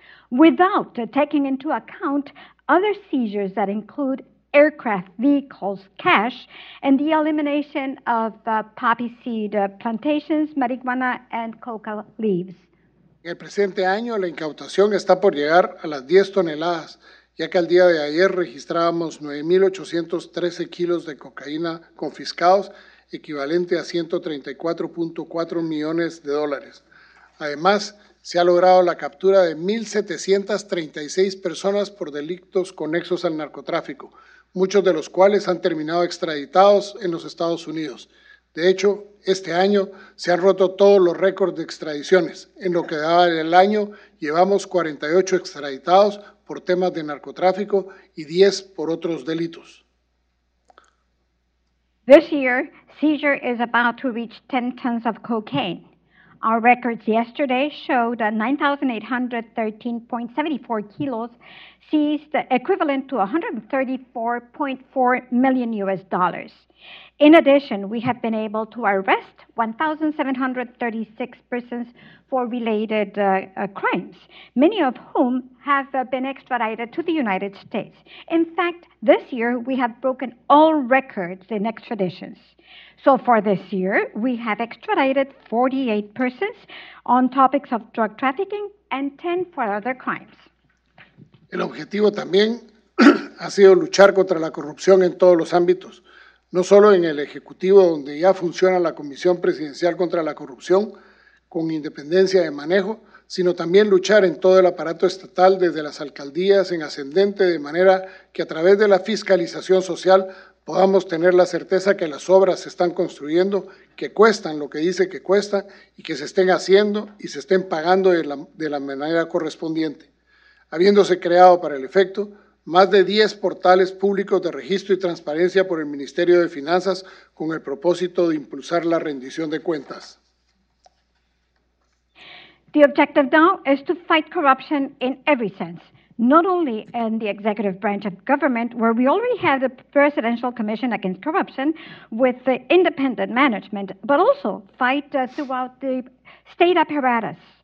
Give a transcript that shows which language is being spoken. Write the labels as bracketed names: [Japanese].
[English] without taking into account other seizures that include aircraft, vehicles, cash, and the elimination of poppy seed plantations, marijuana, and coca leaves. [Spanish] En el presente año, la incautación está por llegar a las 10 toneladas, ya que al día de ayer registrábamos 9,813 kilos de cocaína confiscados, equivalente a $134.4 millones. Además, se ha logrado la captura de 1,736 personas por delitos conexos al narcotráfico, muchos de los cuales han terminado extraditados en los Estados Unidos. De hecho, este año se han roto todos los récords de extradiciones. En lo que da el año, llevamos 48 extraditados por temas de narcotráfico y 10 por otros delitos. [English] This year, seizure is about to reach 10 tons of cocaine. Our records yesterday showed 9,813.74 kilos seized, equivalent to $134.4 million. In addition, we have been able to arrest 1,736 persons for related crimes, many of whom have been extradited to the United States. In fact, this year, we have broken all records in extraditions. So far this year, we have extradited 48 persons on topics of drug trafficking and 10 for other crimes. [Spanish] El objetivo también ha sido luchar contra la corrupción en todos los ámbitos. No solo en el Ejecutivo, donde ya funciona la Comisión Presidencial contra la Corrupción, con independencia de manejo, sino también luchar en todo el aparato estatal desde las alcaldías en ascendente, de manera que a través de la fiscalización social podamos tener la certeza que las obras se están construyendo, que cuestan lo que dice que cuestan y que se estén haciendo y se estén pagando de la manera correspondiente. Habiéndose creado para el efecto más de 10 portales públicos de registro y transparencia por el Ministerio de Finanzas con el propósito de impulsar la rendición de cuentas. [English] The objective now is to fight corruption in every sense, not only in the executive branch of government, where we already have the Presidential Commission Against Corruption with the independent management, but also fight throughout the state apparatus.